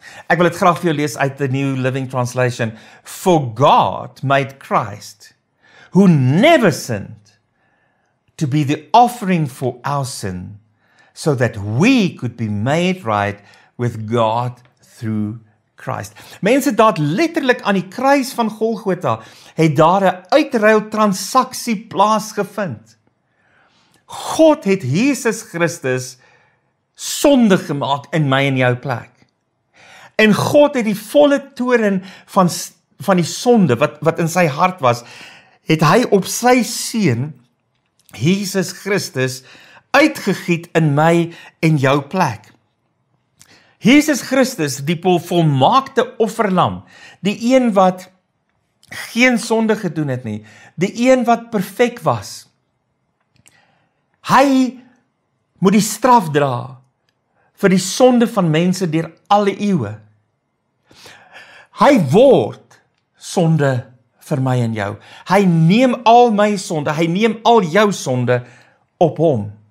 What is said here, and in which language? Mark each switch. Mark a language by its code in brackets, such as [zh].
[af] Ek wil dit graag vir jou lees uit the New Living Translation. [en] For God made Christ, who never sinned, to be the offering for our sin, so that we could be made right with God through Christ. [af] Mense, daar letterlik aan die kruis van Golgotha het daar 'n uitruil transaksie plaasgevind. God het Jesus Christus sonde gemaak in my en jou plek. En God het die volle toren van die sonde wat in sy hart was, het hy op sy seun Jesus Christus uitgegiet in my en jou plek. Jesus Christus, die volmaakte offerlam, die een wat geen sonde gedoen het nie, die een wat perfek was. Hy moet die straf dra vir die sonde van mense deur alle eeue. Hy word sonde vir my en jou. Hy neem al my sonde, hy neem al jou sonde op hom.